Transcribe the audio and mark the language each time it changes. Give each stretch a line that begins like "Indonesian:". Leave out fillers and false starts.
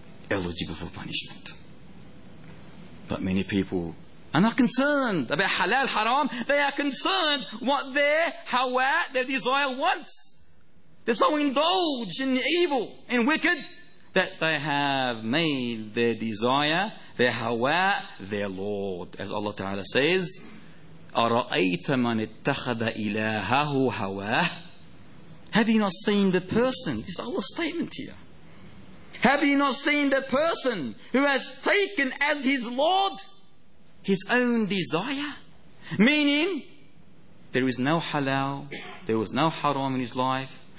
English: Eligible for punishment. But many people are not concerned about halal, haram. They are concerned what their hawa, their desire wants. They're so indulged in evil, in wicked, that they have made their desire, their hawa, their Lord. As Allah Ta'ala says,
Arabic: أَرَأَيْتَ مَنِ اتَّخَذَ إِلَاهَهُ هَوَاهُ.
English: Have you not seen the person? This is Allah's statement here. Have you not seen the person who has taken as his Lord his own desire? Meaning, there is no halal, there was no haram in his life.